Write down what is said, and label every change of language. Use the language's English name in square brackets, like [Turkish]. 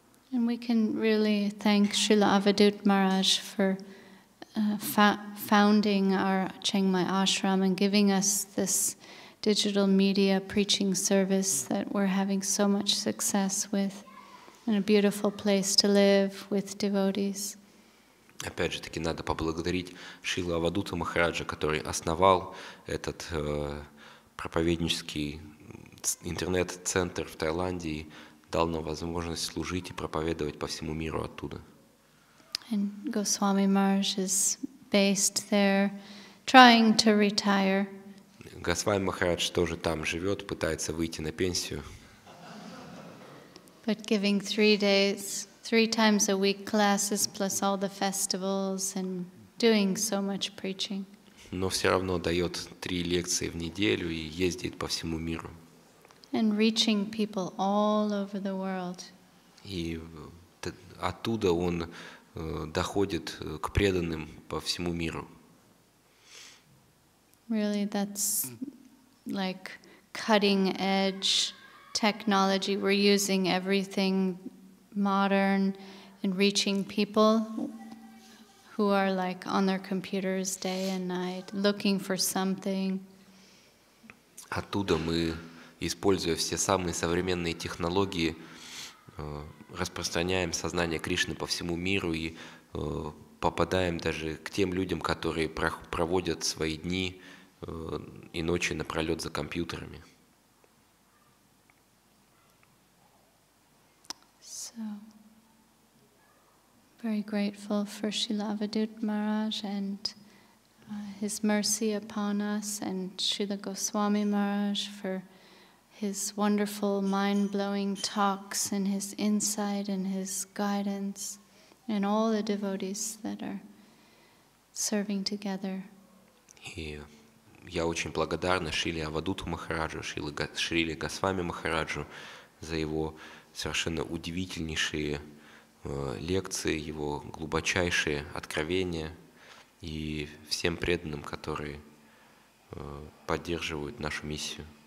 [English] And we can really thank Srila Avadhut Maharaj for founding our Chiang Mai ashram and giving us this digital media preaching service that we're having so much success with, and a beautiful place to live with devotees. [Russian] Опять же таки надо поблагодарить Шрилу Авадхута Махараджа, который основал этот проповеднический интернет-центр в Таиланде и дал нам возможность служить и проповедовать по всему миру оттуда. [English] And Goswami Maharaj is based there, trying to retire. [Russian] Госвами Махарадж тоже там живет, пытается выйти на пенсию. [English] But giving 3 days, 3 times a week classes plus all the festivals and doing so much preaching. [Russian] Но все равно дает 3 лекции в неделю и ездит по всему миру. [English] And reaching people all over the world. [Russian] И оттуда он доходит к преданным по всему миру. [English] Really, that's like cutting edge technology. We're using everything modern and reaching people who are like on their computers day and night looking for something. [Russian] Оттуда мы, используя все самые современные технологии, распространяем сознание Кришны по всему миру и попадаем даже к тем людям, которые проводят свои дни и ночи напролет за компьютерами. [English] So, very grateful for Srila Avadhut Maharaj and his mercy upon us, and Srila Goswami Maharaj for his wonderful mind-blowing talks and his insight and his guidance and all the devotees that are serving together. [Russian] И я очень благодарна Шриле Авадхуту Махараджу, Шриле Госвами Махараджу за его совершенно удивительнейшие лекции, его глубочайшие откровения, и всем преданным, которые поддерживают нашу миссию.